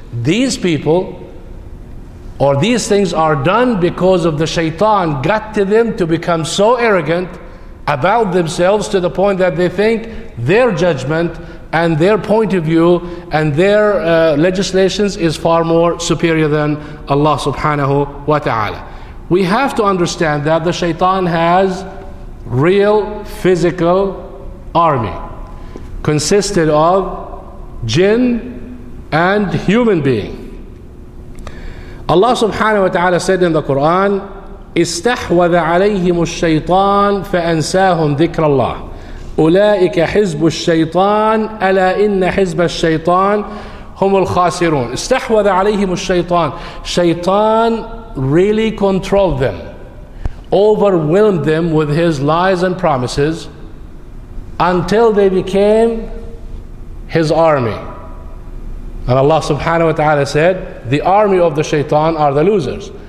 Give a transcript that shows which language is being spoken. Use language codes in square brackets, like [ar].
[en] These people, or these things are done because of the shaitan got to them to become so arrogant about themselves to the point that they think their judgment and their point of view and their legislations is far more superior than Allah subhanahu wa ta'ala. We have to understand that the shaitan has real physical army consisted of jinn and human being. Allah subhanahu wa ta'ala said in the Quran, [ar] استحوذ عليهم الشيطان فأنساهم ذكر الله أولئك حزب الشيطان ألا إن حزب الشيطان هم الخاسرون. استحوذ عليهم الشيطان. [en] Shaitan really controlled them, overwhelmed them with his lies and promises, until they became his army. And Allah subhanahu wa ta'ala said, the army of the shaitan are the losers.